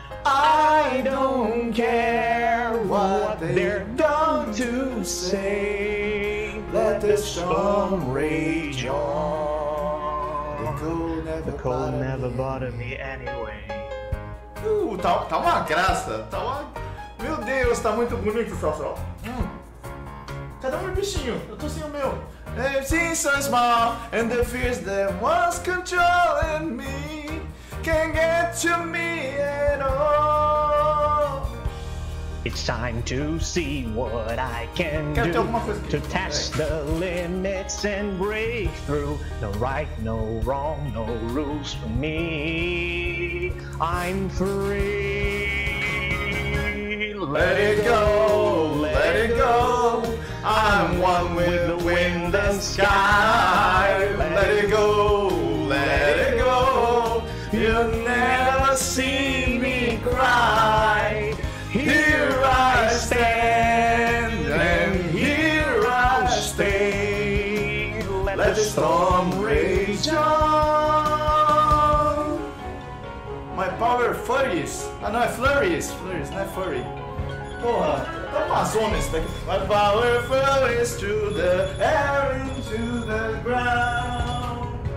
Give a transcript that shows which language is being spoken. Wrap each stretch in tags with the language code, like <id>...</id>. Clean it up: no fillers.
<en>I don't care what they're going to say. Storm rage on. The cold never bothered me anyway.</en> <pt>Tá uma graça. Tá uma... Meu Deus, tá muito bonito só. Cadê o meu bichinho? Eu tô sem o meu.</pt> <en>They've seen so small and the fears that was controlling me can't get to me at all.</en> <pt>E</pt> <en>It's time to see what I can</en> <pt>quero</pt> <en>do to test the limits and break through. No right, no wrong, no rules for me. I'm free. Let it go, let it go. I'm one with the wind and sky. Let it go, let it go. You'll never see me cry. Here I stand, and here I stay. Let the storm rage on. My power flurries.</en> <pt>Ah, não, é</pt> <en>flurries. Flurries, not furry.</en> <pt>Porra, tá uma zona isso daqui.</pt> <en>My power flows to the air, into the ground.</en>